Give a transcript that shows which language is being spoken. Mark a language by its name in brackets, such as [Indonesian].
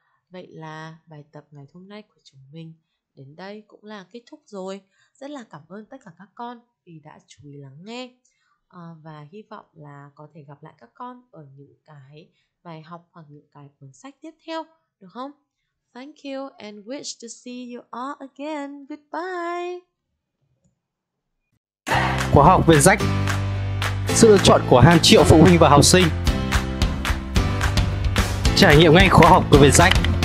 [Vietnamese] Vậy là bài tập ngày hôm nay của chúng mình đến đây cũng là kết thúc rồi. Rất là cảm ơn tất cả các con vì đã chú ý lắng nghe. Và hy vọng là có thể gặp lại các con ở những cái bài học hoặc những cái cuốn sách tiếp theo, được không? [English] Thank you and wish to see you all again. Goodbye. [Vietnamese] Khóa học Việt Rách, sự lựa chọn của hàng triệu phụ huynh và học sinh. Trải nghiệm ngay khóa học của Việt Rách.